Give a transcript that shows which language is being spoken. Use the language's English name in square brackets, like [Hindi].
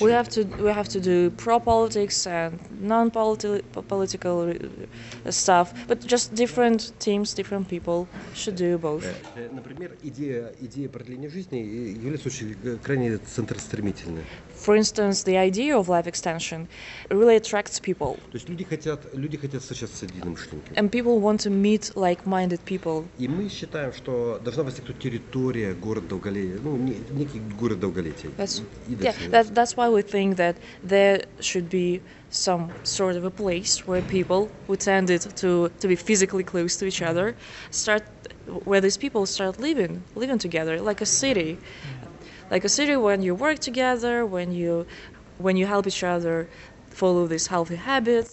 [English] We have to do pro-politics and non-political stuff, but just different teams, different people should do both. [Russian] Например, идея продления жизни является очень крайне центростремительной. [English] For instance, the idea of life extension really attracts people. [Russian] То есть люди хотят встречаться с единомышленниками. [English] And people want to meet like-minded people. [Russian] И мы считаем, что должна возникнуть территория город долголетия, ну, некий город долголетия. [English] That's why we think that there should be some sort of a place where people who tended to be physically close to each other start, where these people start living together, like a city. Like a city when you work together, when you help each other follow these healthy habits.